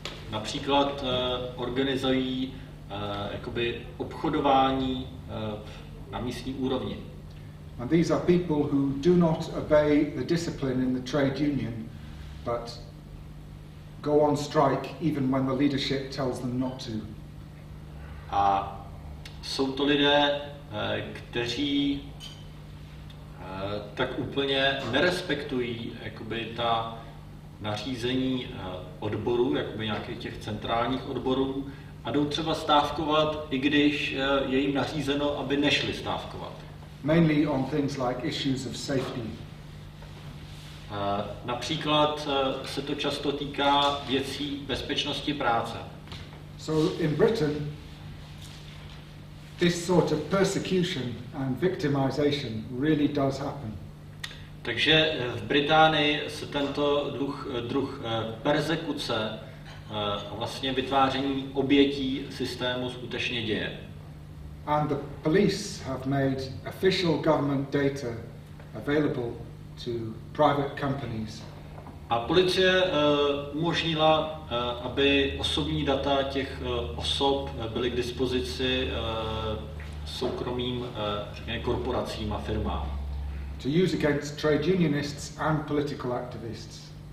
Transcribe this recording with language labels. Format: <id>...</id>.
<cs>Například organizují jakoby obchodování na místní úrovni.</cs> <en>And these are people who do not obey the discipline in the trade union, but go on strike even when the leadership tells them not to.</en> <cs>A jsou to lidé, kteří tak úplně nerespektují jakoby ta nařízení odborů, jakoby nějakých těch centrálních odborů, a jdou třeba stávkovat, i když je jim nařízeno, aby nešli stávkovat.</cs> <en>Mainly on things like issues of safety.</en> <cs>Například se to často týká věcí bezpečnosti práce.</cs> <en>So in Britain this sort of persecution and victimization really does happen.</en> <cs>Takže v Británii se tento druh persekuce a vlastně vytváření obětí systému skutečně děje.</cs> <en>And the police have made official government data available to private companies.</en> <cs>A policie umožnila, aby osobní data těch osob byly k dispozici soukromým korporacím a firmám.</cs> <en>To use against trade unionists and political activists.</en>